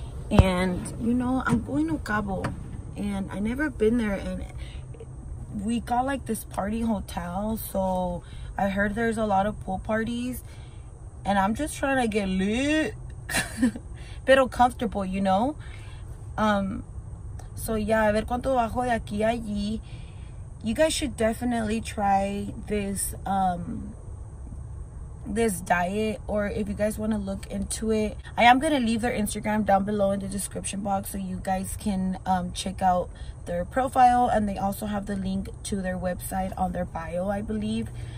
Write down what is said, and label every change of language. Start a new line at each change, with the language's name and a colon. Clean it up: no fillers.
English: And, you know, I'm going to Cabo and I never been there, and we got like this party hotel, so I heard there's a lot of pool parties and I'm just trying to get lit pero comfortable, you know.
Spanish: So yeah, a ver cuánto bajo de aquí allí.
English: You guys should definitely try this this diet, or if you guys want to look into it, I am going to leave their Instagram down below in the description box so you guys can check out their profile, and they also have the link to their website on their bio, I believe.